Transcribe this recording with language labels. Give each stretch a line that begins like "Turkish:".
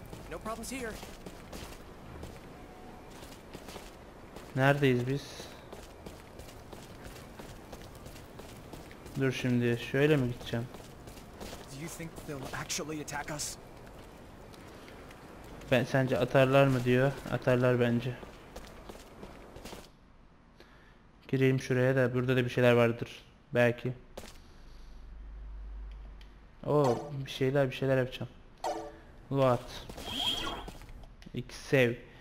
English: No problems here.
Turkish: Neredeyiz biz? Dur şimdi şöyle mi gideceğim?
English: Do you think they'll actually attack us?
Turkish: Ben sence atarlar mı diyor? Atarlar bence. Gireyim şuraya da burada da bir şeyler vardır belki. Oo, bir şeyler yapacağım. Loot. İki save.